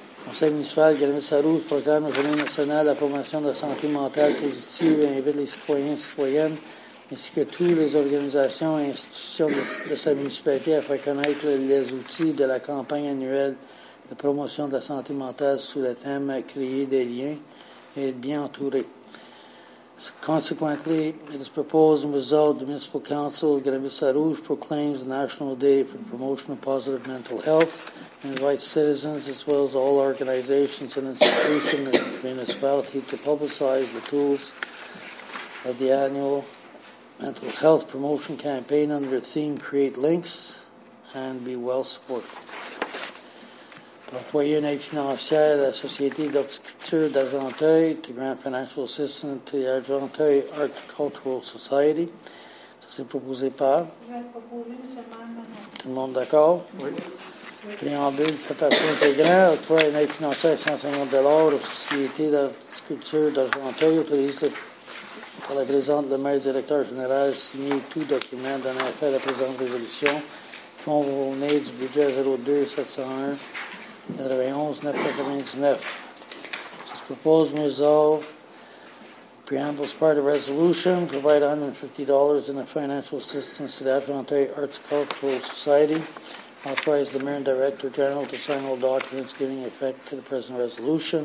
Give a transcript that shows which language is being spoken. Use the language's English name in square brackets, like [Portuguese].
[French] Conseil municipal de Granville-Sarrouge proclame la Journée nationale de la promotion de la santé mentale positive et invite les citoyens et citoyennes ainsi que toutes les organisations et institutions de sa municipalité à faire connaître les outils de la campagne annuelle de promotion de la santé mentale sous le thème « Créer des liens et être bien entouré ». [English] Consequently, it is proposed and resolved the Municipal Council of Granville-Sarrouge proclaims the National Day for the Promotion of Positive Mental Health and invites citizens as well as all organizations and institutions in the municipality to publicize the tools of the annual mental health promotion campaign under the theme Create Links and Be Well Supported. [French] Employer une aide financière à la Société d'horticulture d'Argenteuil [English] to grant financial assistance to the Argenteuil Horticultural Society. [French] Ça, c'est proposé par. Tout le monde d'accord? Oui. Préambule, préparation intégrant. Employer une aide financière à 150 $ aux Sociétés d'horticulture d'Argenteuil autorisée par la présidente, le maire directeur général, signer tout document dans l'affaire de la présente résolution. Convenu du budget 02-701. 91-999. [English] This proposed and resolved preamble is part of the resolution. Provide $150 in a financial assistance to the Argenteuil Arts Cultural Society. Authorize the Mayor and Director General to sign all documents giving effect to the present resolution.